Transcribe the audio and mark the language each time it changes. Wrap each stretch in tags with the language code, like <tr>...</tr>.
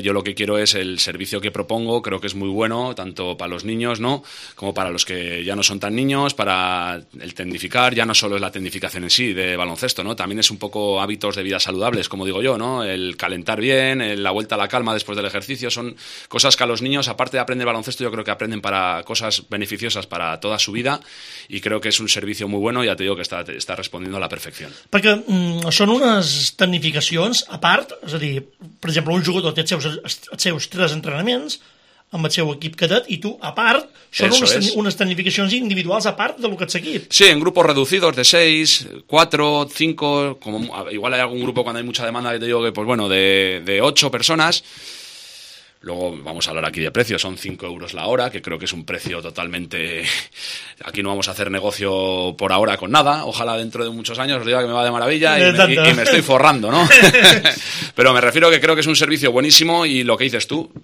<es>Yo lo que quiero es el servicio que propongo, creo que es muy bueno, tanto para los niños, ¿no?, como para los que ya no son tan niños, para el tecnificar, ya no solo es la tecnificación en sí de baloncesto, ¿no?, también es un poco hábitos de vida saludables, como digo yo, ¿no?, el calentar bien, la vuelta a la calma después del ejercicio, son cosas que a los niños, aparte de aprender baloncesto, yo creo que aprenden para cosas beneficiosas para toda su vida, y creo que es un servicio muy bueno, ya te digo que está respondiendo a la perfección.</es> <ca>Perquè són unes tecnificacions a part, és a dir, per exemple, un jugador té els seus 3 entrenaments amb el seu equip cadet i tu, a part, són unes tecnificacions individuals a part del que ets equip.</ca> <es>Sí, en grupos reducidos de 6, 4, 5, como, igual hay algún grupo cuando hay mucha demanda que te digo que, pues bueno, de 8 personas. Luego vamos a hablar aquí de precios, son 5 euros la hora, que creo que es un precio totalmente... Aquí no vamos a hacer negocio por ahora con nada, ojalá dentro de muchos años os diga que me va de maravilla y me estoy forrando, ¿no? Pero me refiero que creo que es un servicio buenísimo y lo que dices tú,</es>